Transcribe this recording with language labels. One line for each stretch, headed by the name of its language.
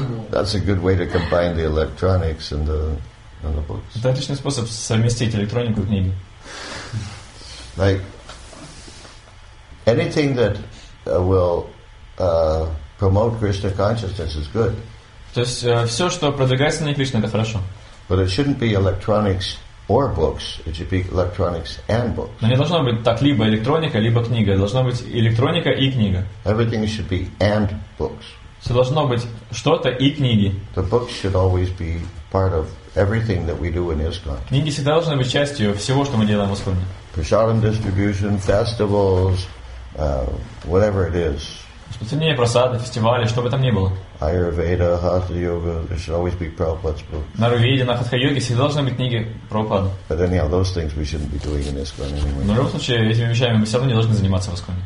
English: That's a good way to combine the electronics and the books.
Russian: Это отличный способ совместить электронику и книги.
English: Like anything that will promote Krishna consciousness is good.
Russian: То есть все, что продвигает сознание Кришны, это хорошо.
English: But it shouldn't be electronics or books. It should be electronics and books.
Russian: Но не должно быть так либо электроника, либо книга. Должно быть электроника и книга.
English: Everything should be and books.
Russian: Все должно быть что-то и книги.
English: The books should always be part of everything that we do in ISKCON.
Russian: Книги всегда должны быть частью всего, что мы делаем в ISKCON.
English: Prasadam distribution, festivals, whatever it is.
Russian: Распространение просады, фестивали, что бы там ни было.
English: Айурведа, Хатха йога, there should always be Prabhupada's books.
Russian: На Айурведе, на Хатха йоге всегда должны быть книги Прабхупады.
English: But anyhow, those things we shouldn't be doing in ISKCON anyway.
Russian: Но в любом случае этими вещами мы все равно не должны заниматься в ISKCON.